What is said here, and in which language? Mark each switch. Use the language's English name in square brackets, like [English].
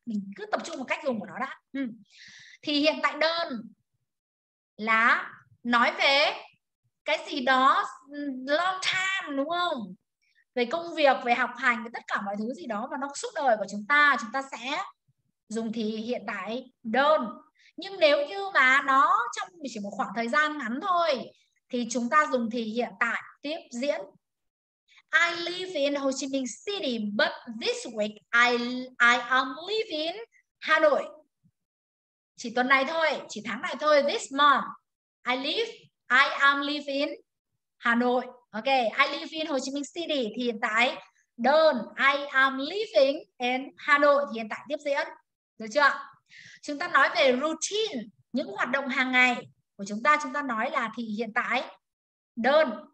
[Vietnamese] Mình cứ tập trung vào cách dùng của nó đã. Thì hiện tại đơn là nói về cái gì đó long time, đúng không? Về công việc, về học hành, về tất cả mọi thứ gì đó mà nó suốt đời của chúng ta sẽ dùng thì hiện tại đơn. Nhưng nếu như mà nó trong chỉ một khoảng thời gian ngắn thôi thì chúng ta dùng thì hiện tại tiếp diễn. [English] I live in Ho Chi Minh City, but this week I am living Hà Nội. [Vietnamese] Chỉ tuần này thôi, chỉ tháng này thôi, [English] this month. I am living Hà Nội. Ok, I live in Ho Chi Minh City [Vietnamese] thì hiện tại đơn. [English] I am living in Hà Nội [Vietnamese] thì hiện tại tiếp diễn. Được chưa? Chúng ta nói về routine, những hoạt động hàng ngày của chúng ta nói là thì hiện tại đơn.